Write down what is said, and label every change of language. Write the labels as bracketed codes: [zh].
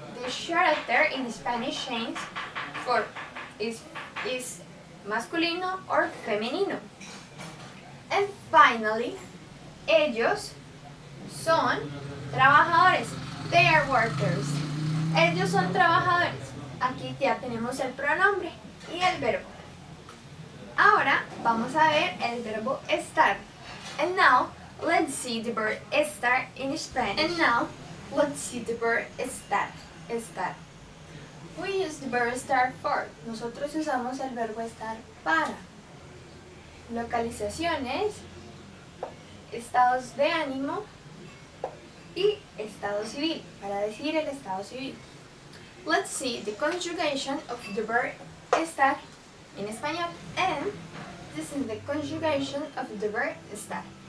[en] The shorter in Spanish, Shane's, for is masculino or femenino. And finally, [es] ellos son trabajadores. [en] They are workers. [es] Ellos son trabajadores. Aquí ya tenemos el pronombre y el verbo. Ahora vamos a ver el verbo estar. [en] And now, let's see the verb estar in Spanish. And now, let's see the verb estar. Estar. We use the verb estar for. [es] Nosotros usamos el verbo estar para. Localizaciones, estados de ánimo y estado civil, para decir el estado civil. [en] Let's see the conjugation of the verb estar in español. And this is the conjugation of the verb estar.